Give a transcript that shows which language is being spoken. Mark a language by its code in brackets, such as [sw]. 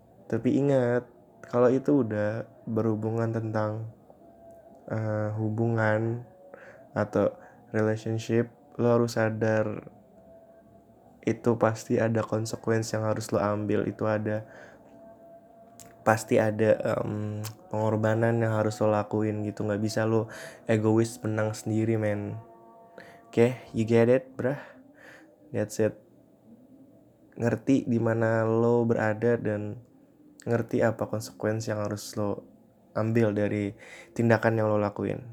[id] Tapi ingat, kalau itu udah berhubungan tentang hubungan atau relationship, lo harus sadar itu pasti ada konsekuensi yang harus lo ambil. Itu ada, pasti ada pengorbanan yang harus lo lakuin gitu. Gak bisa lo egois menang sendiri men. [en] Oke, okay, you get it brah, that's it. [id] Ngerti dimana lo berada dan ngerti apa konsekuensi yang harus lo ambil dari tindakan yang lo lakuin.